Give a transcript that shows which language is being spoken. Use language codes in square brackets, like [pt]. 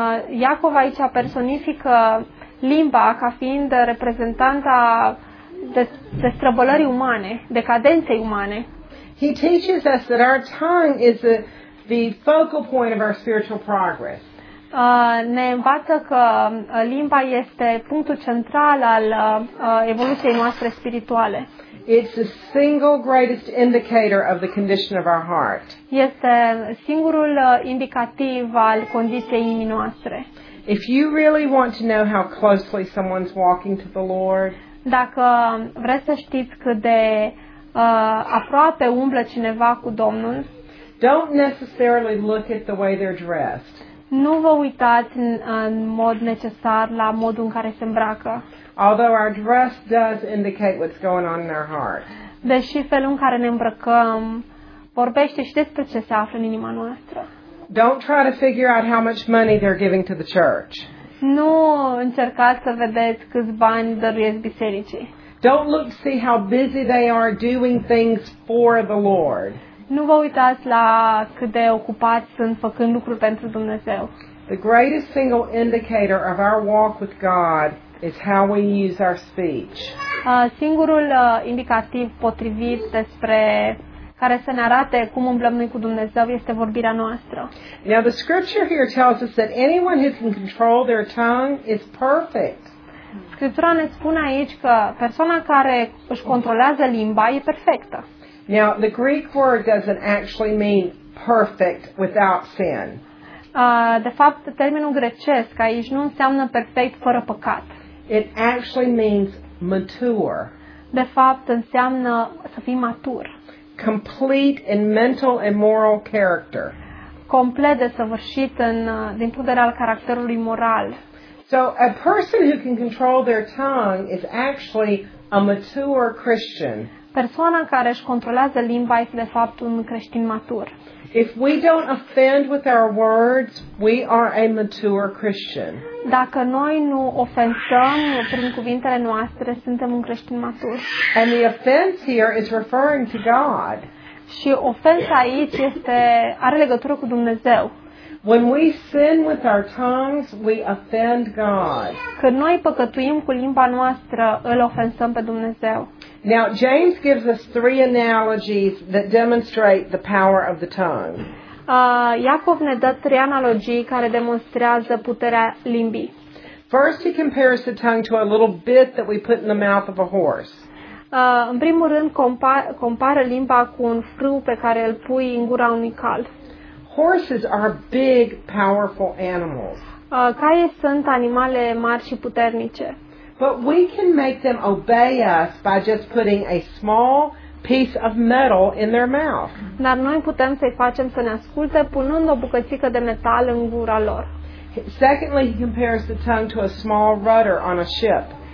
[ro] Iacov aici personifică limba ca fiind reprezentanta destrăbălării umane, decadenței umane. [en] He teaches us that our tongue is the focal point of our spiritual progress. [ro] Ne învață că limba este punctul central al evoluției noastre spirituale. [en] It's the single greatest indicator of the condition of our heart. [ro] Este singurul indicativ al condiției inimii noastre. [en] If you really want to know how closely someone's walking to the Lord, [ro] dacă vreți să știți cât de aproape umblă cineva cu Domnul, [en] don't necessarily look at the way they're dressed. [ro] Nu vă uitați în mod necesar la modul în care se îmbracă. [en] Although our dress does indicate what's going on in our heart. [ro] Deși felul în care ne îmbrăcăm vorbește și despre ce se află în inima noastră. [en] Don't try to figure out how much money they're giving to the church. [ro] Nu încercați să vedeți câți bani dăruiesc bisericii. [en] Don't look to see how busy they are doing things for the Lord. [ro] Nu vă uitați la cât de ocupați sunt făcând lucruri pentru Dumnezeu. [en] The greatest single indicator of our walk with God is how we use our speech. [ro] Singurul indicativ potrivit despre care să ne arate cum umblăm noi cu Dumnezeu este vorbirea noastră. [en] Now the scripture here tells us that anyone who can control their tongue is perfect. [ro] Scriptura ne spune aici că persoana care își controlează limba e perfectă. [en] Now the Greek word doesn't actually mean perfect without sin. [ro] De fapt, termenul grecesc aici nu înseamnă perfect fără păcat. [en] It actually means mature. [ro] De fapt, înseamnă să fii matur. [en] Complete in mental and moral character. [ro] Complet desăvârșit în din punct de vedere al caracterului moral. [en] So a person who can control their tongue is actually a mature Christian. [ro] Persoana care își controlează limba este de fapt un creștin matur. [en] If we don't offend with our words, we are a mature Christian. [ro] Dacă noi nu ofensăm prin cuvintele noastre, suntem un creștin matur. [en] And the offense here is referring to God. [ro] Și ofensa aici este are legătură cu Dumnezeu. [en] When we sin with our tongues, we offend God. [ro] Când noi păcătuim cu limba noastră, îl ofensăm pe Dumnezeu. [en] Now James gives us three analogies that demonstrate the power of the tongue. [ro] Iacov ne dă trei analogii care demonstrează puterea limbii. [en] First he compares the tongue to a little bit that we put in the mouth of a horse. [ro] În primul rând compară limba cu un frâu pe care îl pui în gura unui cal. [en] Horses are big, powerful animals. [ro] Caii sunt animale mari și puternice. [en] But we can make them obey us by just putting a small piece of metal in their mouth. [ro] Dar noi putem să-i facem să ne asculte punând o bucățică de metal în gura lor. [en] Secondly, he compares the tongue to a small rudder on a ship.